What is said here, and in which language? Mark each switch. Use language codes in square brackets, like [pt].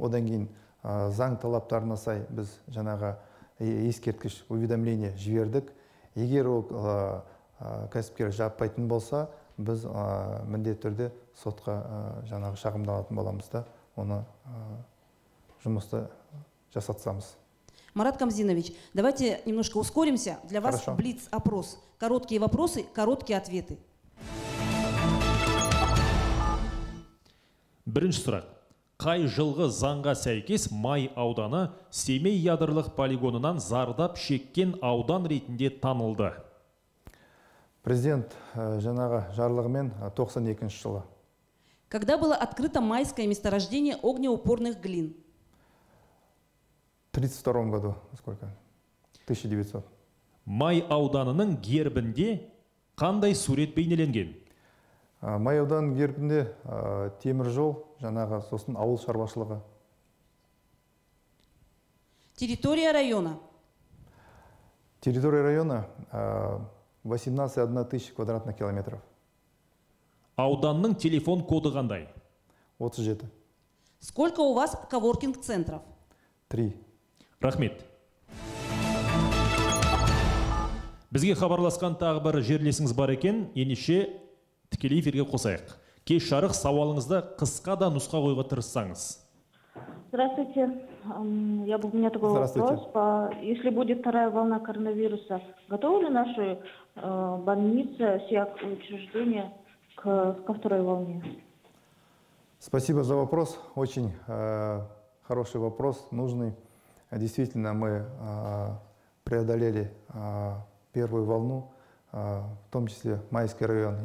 [kk] Одан кейін заң талаптарына сай біз жаңағы ескерткіш уведомление жібердік. Егер ол кәсіпкер жаппайтын болса, біз міндетті түрде сотқа жаңағы шағымдалатын боламыз да, оны жұмысты жасатсамыз. [ru] Марат Камзинович, давайте немножко ускоримся. Для вас блиц-опрос. Короткие вопросы, короткие ответы. [kk] Бірінші сұрақ. Қай жылғы заңға сәйкес Май ауданы Семей ядырлық полигонынан зардап шеккен аудан ретінде танылды? Президент жаңағы жарлығымен 92 жылы. [ru] Когда было открыто майское месторождение огнеупорных глин? 32 году, сколько? 1900. [kk] Май ауданының гербінде қандай сурет бейнеленген? Май ауданының гербінде темір жол, жаңағы сосын ауыл шаруашылығы. [ru] Территория района? Территория района 18 000 квадратных километров. [kk] Ауданның телефон коды қандай? 37. [ru] Сколько у вас коворкинг-центров? 3. [kk] Рахмет. Бізге хабарласқан тағы бір жерлесіңіз бар екен, енеше тікелей эфирге қосайық. Кеш жарық, сауалыңызды қысқа да нұсқа қойға тырыссаңыз. [ru] Здравствуйте. У меня такой вопрос. Если будет вторая волна коронавируса, готовы ли наши больницы, все учреждения ко второй волне? Спасибо за вопрос. Очень хороший вопрос, нужный. Действительно, мы преодолели первую волну, в том числе Майский район.